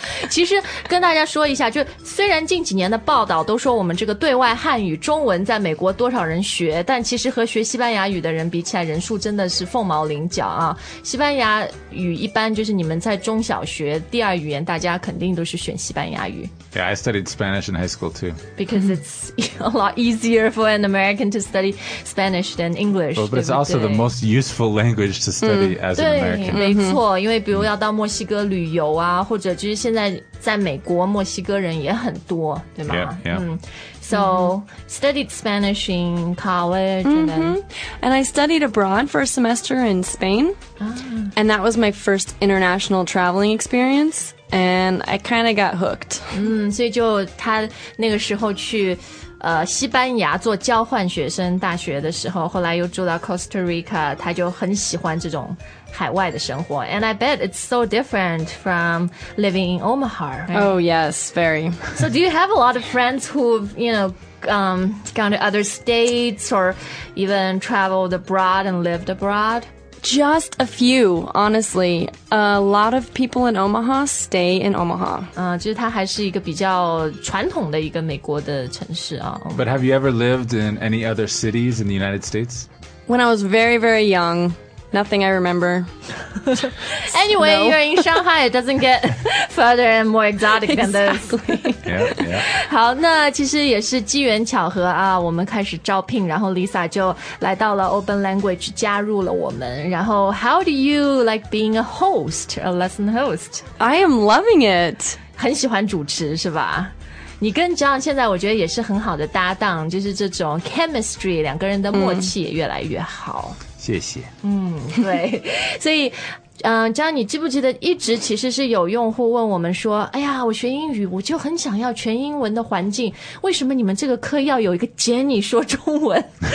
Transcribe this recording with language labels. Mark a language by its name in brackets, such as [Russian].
[Chinese] 其实跟大家说一下，就虽然近几年的报道都说我们这个对外汉语中文在美国多少人学，但其实和学西班牙语的人比起来，人数真的是凤毛麟角啊。西班牙语一般就是你们在中小学第二语言，大家肯定都是选西班牙语。 [English] Yeah, I studied Spanish in high school too. Because it's a lot easier for an American to study Spanish than English. But it's also the most useful language to study as an American. American. [Chinese] 没错，因为比如要到墨西哥旅游啊，或者就是现在在美国墨西哥人也很多，对吗？ [English] Yeah, yeah. So, studied Spanish in college, and then... And I studied abroad for a semester in Spain. And that was my first international traveling experience. And I kind of got hooked. [Chinese] 所以就他那个时候去西班牙做交换学生大学的时候，后来又住到 Costa Rica, 他就很喜欢这种海外的生活。 [English] And I bet it's so different from living in Omaha, right? Oh, yes, very. So do you have a lot of friends who've, you know, gone to other states or even traveled abroad and lived abroad? Just a few, honestly. A lot of people in Omaha stay in Omaha. [Chinese] 就是它还是一个比较传统的一个美国的城市啊。 [English] But have you ever lived in any other cities in the United States? When I was very, very young... Nothing I remember. Anyway, no. You're in Shanghai. It doesn't get further and more exotic than this. Yeah, yeah. [Chinese] 好，那其实也是机缘巧合啊。我们开始招聘，然后 Lisa 就来到了 Open Language 加入了我们。 [English] 然后 How do you like being a host, a lesson host? I am loving it. [Chinese] 很喜欢主持是吧？你跟 John 现在我觉得也是很好的搭档，就是这种 chemistry, 两个人的默契也越来越好。谢谢。对。所以John, 你记不记得一直其实是有用户问我们说，哎呀，我学英语我就很想要全英文的环境，为什么你们这个课要有一个 Jenny 说中文？